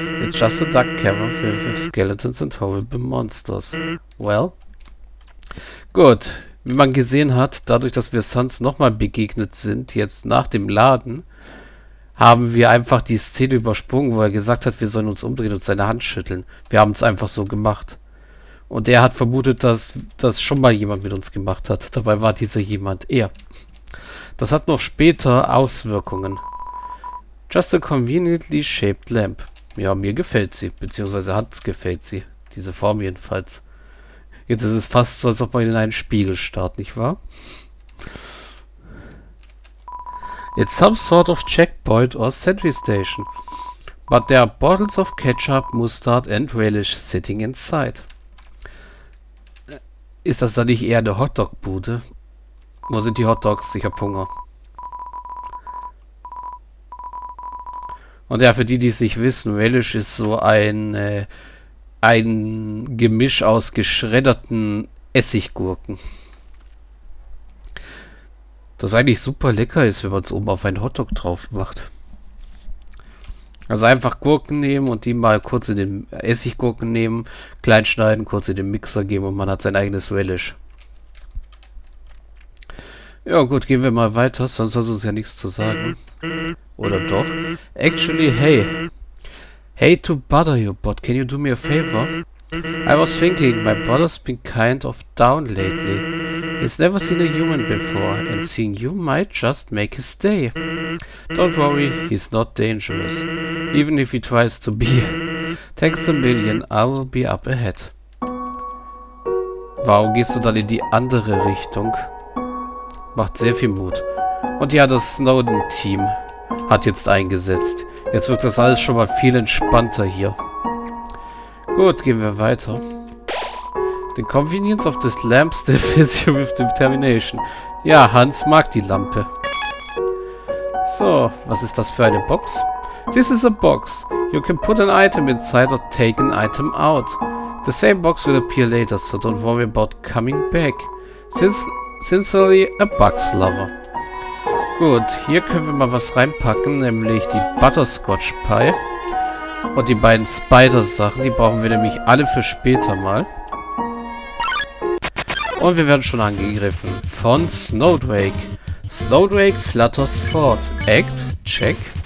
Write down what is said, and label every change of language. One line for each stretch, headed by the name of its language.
English: It's just a dark cavern filled with skeletons and horrible monsters. Well?
German: Gut, wie man gesehen hat, dadurch, dass wir Sans nochmal begegnet sind, jetzt nach dem Laden, haben wir einfach die Szene übersprungen, wo er gesagt hat, wir sollen uns umdrehen und seine Hand schütteln. Wir haben es einfach so gemacht. Und er hat vermutet, dass das schon mal jemand mit uns gemacht hat. Dabei war dieser jemand er. Das hat noch später Auswirkungen.
English: Just a conveniently shaped lamp.
German: Ja, mir gefällt sie. Beziehungsweise Hans gefällt sie. Diese Form jedenfalls. Jetzt ist es fast so, als ob man in einen Spiegel starrt, nicht wahr?
English: It's some sort of checkpoint or sentry station. But there are bottles of ketchup, mustard and relish sitting inside.
German: Ist das dann nicht eher eine Hotdog-Bude? Wo sind die Hotdogs? Ich hab Hunger. Und ja, für die, die es nicht wissen, Relish ist so ein Gemisch aus geschredderten Essiggurken. Das eigentlich super lecker ist, wenn man es oben auf einen Hotdog drauf macht. Also einfach Gurken nehmen und die mal kurz in den Essiggurken nehmen, klein schneiden, kurz in den Mixer geben und man hat sein eigenes Relish. Ja gut, gehen wir mal weiter, sonst hast du uns ja nichts zu sagen. Oder doch?
English: Actually, hey. Hey to bother you, but can you do me a favor? I was thinking, my brother's been kind of down lately. He's never seen a human before, and seeing you might just make his day. Don't worry, he's not dangerous, even if he tries to be. Thanks a million, I will be up ahead.
German: Warum gehst du dann in die andere Richtung? Macht sehr viel Mut. Und ja, das Snowden-Team hat jetzt eingesetzt. Jetzt wirkt das alles schon mal viel entspannter hier. Gut, gehen wir weiter.
English: The convenience of this lamp still fills you with determination.
German: Ja, Hans mag die Lampe. So, was ist das für eine Box?
English: This is a box. You can put an item inside or take an item out. The same box will appear later, so don't worry about coming back. Sincerely, a box lover.
German: Gut, hier können wir mal was reinpacken, nämlich die Butterscotch Pie. Und die beiden Spider-Sachen, die brauchen wir nämlich alle für später mal. Und wir werden schon angegriffen von Snowdrake.
English: Snowdrake flutters fort. Act, check.